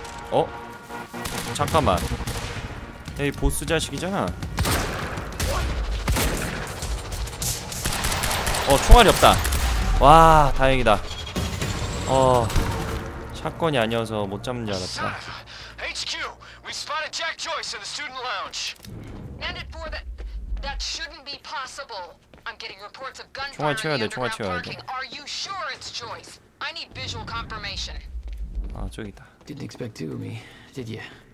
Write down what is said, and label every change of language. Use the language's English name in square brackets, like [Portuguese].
[Korean] 어? 잠깐만. 에이, 보스 자식이잖아. 어, 총알이 없다. 와, 다행이다. 어, 샷건이 아니어서 못 잡는 줄 알았다. [English] HQ, we spotted Jack Joyce in the student lounge. And it for that shouldn't be possible. I'm getting reports of gunfire. [Korean] 총알 채워야 돼, 총알 채워야 돼. [English] Are you sure it's Joyce? I need visual confirmation. [Korean] 아, 저기다. [English] Didn't expect to me, did you?